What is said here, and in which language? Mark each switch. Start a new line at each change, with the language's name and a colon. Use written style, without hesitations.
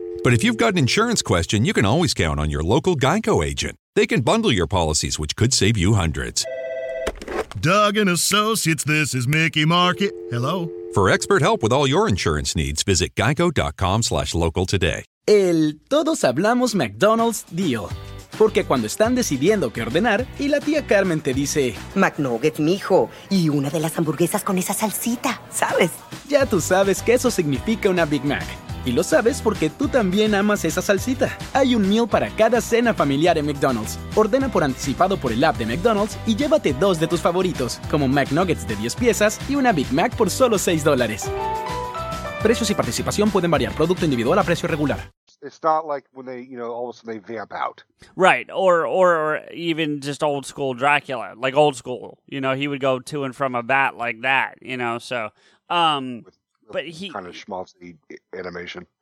English: But if you've got an insurance question, you can always count on your local GEICO agent. They can bundle your policies, which could save you hundreds. Duggan Associates, this is Mickey Marquis. Hello? For expert help with all your insurance needs, visit geico.com/local today.
Spanish: El Todos Hablamos McDonald's deal. Porque cuando están decidiendo qué ordenar y la tía Carmen te dice McNuggets, mijo, y una de las hamburguesas con esa salsita, ¿sabes? Ya tú sabes que eso significa una Big Mac. Y lo sabes porque tú también amas esa salsita. Hay un meal para cada cena familiar en McDonald's. Ordena por anticipado por el app de McDonald's y llévate dos de tus favoritos, como McNuggets de 10 piezas y una Big Mac por solo $6. Precios y participación pueden variar. Producto individual a precio regular.
English: It's not like when they, you know, all of a sudden they vamp out. Right. Or even just old school Dracula. Like old school. You know, he would go to and from a bat like that, you know, so. Kind of schmaltzy animation.